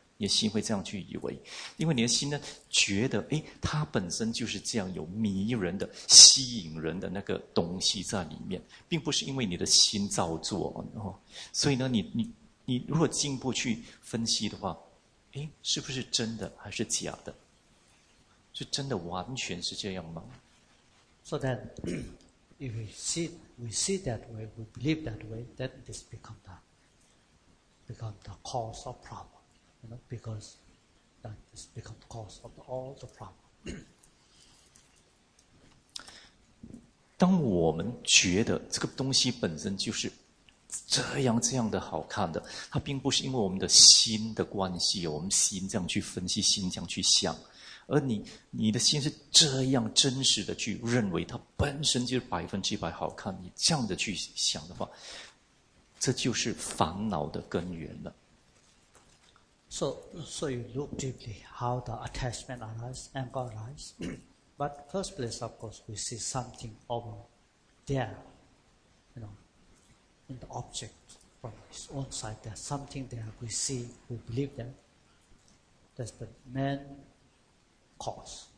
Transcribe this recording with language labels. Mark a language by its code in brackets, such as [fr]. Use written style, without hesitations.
[zh] 你的心会这样去以为，因为你的心呢觉得，哎，它本身就是这样有迷人的、吸引人的那个东西在里面，并不是因为你的心造作哦。所以呢，你如果进一步去分析的话，哎，是不是真的还是假的？是真的完全是这样吗 [en] ？So that if we see that way, we believe that way, then this become the cause of problem. You know, because that has become the cause of all the problem. [zh] 当我们觉得这个东西本身就是这样这样的好看的，它并不是因为我们的心的关系，我们心这样去分析，心这样去想，而你的心是这样真实的去认为它本身就是百分之百好看，你这样的去想的话，这就是烦恼的根源了。 [en] So you look deeply how the attachment arise, anger arise. But first place, of course, we see something over there, you know, in the object from his own side. There's something there we see, we believe that. That's the main cause.